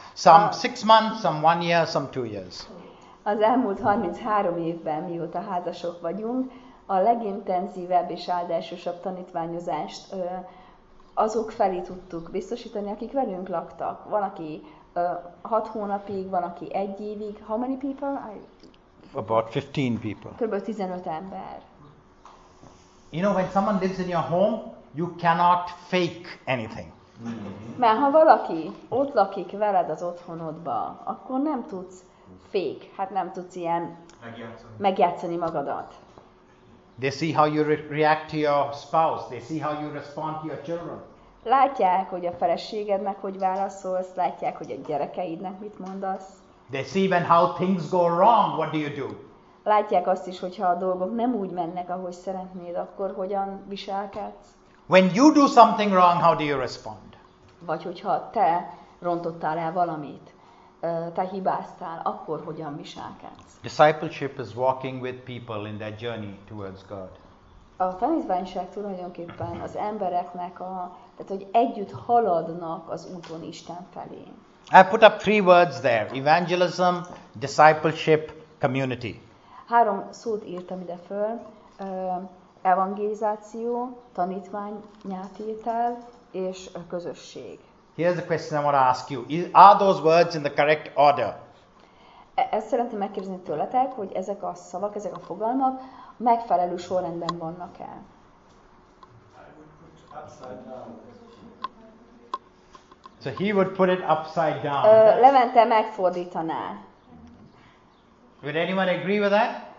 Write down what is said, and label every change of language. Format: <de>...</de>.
<en>Some 6 months, some 1 year, some 2 years.</en> <hu>Az elmúlt 33 évben, mióta házasok vagyunk, a legintenzívebb és áldásosabb tanítványozást azok felé tudtuk biztosítani, akik velünk laktak. Van, aki 6 hónapig, van, aki 1 évig.</hu> <en>How many people? About 15 people.</en> <hu>Kb. 15 ember.</hu> <en>You know, when someone lives in your home, you cannot fake anything.</en> <hu>Mert ha valaki ott lakik veled az otthonodba, akkor nem tudsz fake, hát nem tudsz ilyen megjátszani magadat.</hu> <en>They see how you react to your spouse. They see how you respond to your children.</en> <hu>Látják, hogy a feleségednek hogy válaszolsz, látják, hogy a gyerekeidnek mit mondasz.</hu> <en>They see even how things go wrong. What do you do?</en> <hu>Látják azt is, hogyha a dolgok nem úgy mennek, ahogy szeretnéd, akkor hogyan viselkedsz?</hu> <en>When you do something wrong, how do you respond?</en> <hu>vagy hogyha te rontottál el valamit, te hibáztál, akkor hogyan viselkedsz?</hu> <en>Discipleship is walking with people in their journey towards God.</en> <hu>A tanítványság tulajdonképpen az embereknek a, tehát hogy együtt haladnak az úton Isten felé.</hu> <en>I put up three words there: evangelism, discipleship, community.</en> <hu>Három szót írtam ide föl: evangelizáció, tanítványátétel és közösség.</hu> <en>Here's the question I want to ask you: are those words in the correct order?</en> <hu>Ezt szeretném megkérdezni tőletek, hogy ezek a szavak, ezek a fogalmak megfelelő sorrendben vannak-e?</hu> <en>So he would put it upside down.</en> <hu>Levente megfordítaná.</hu> <en>Would anyone agree with that?</en>